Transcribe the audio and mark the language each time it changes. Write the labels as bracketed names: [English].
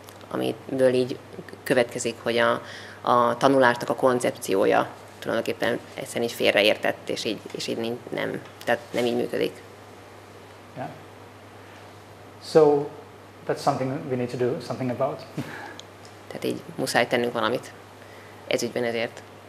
[Hungarian] Amiből így következik, hogy a tanulásnak a koncepciója tulajdonképpen egyszerűen is félreértett, és így nem, tehát nem így működik. [English] Yeah. So that's something we need to do something about. [Hungarian] Tehát így muszáj tennünk valamit ez ügyben ezért.